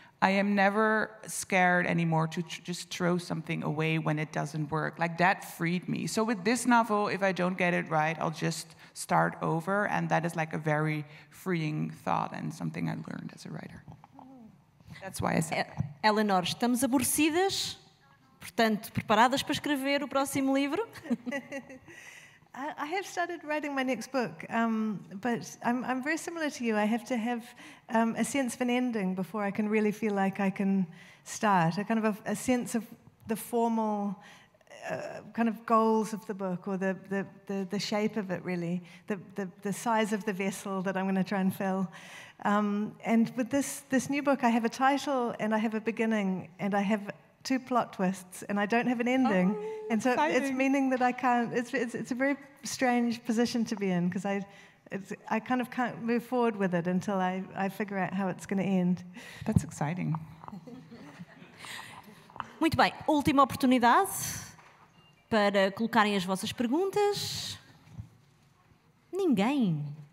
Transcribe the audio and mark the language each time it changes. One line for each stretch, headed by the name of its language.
English: I am never scared anymore to just throw something away when it doesn't work. Like, that freed me. So with this novel, if I don't get it right, I'll just start over, and that is like a very freeing thought and something I learned as a writer. That's why I said that.
Portuguese: Eleanor, estamos aborrecidas, portanto, preparadas para escrever o próximo livro?
English: I have started writing my next book, but I'm very similar to you. I have to have a sense of an ending before I can really feel like I can start. A kind of a sense of the formal kind of goals of the book, or the shape of it, really, the size of the vessel that I'm going to try and fill. And with this new book, I have a title and I have a beginning and I have two plot twists and I don't have an ending. Oh, and so exciting. It's meaning that I can't, it's a very strange position to be in, because I kind of can't move forward with it until I figure out how it's going to end. That's exciting.
Portuguese: Muito bem, última oportunidade para colocarem as vossas perguntas. Ninguém.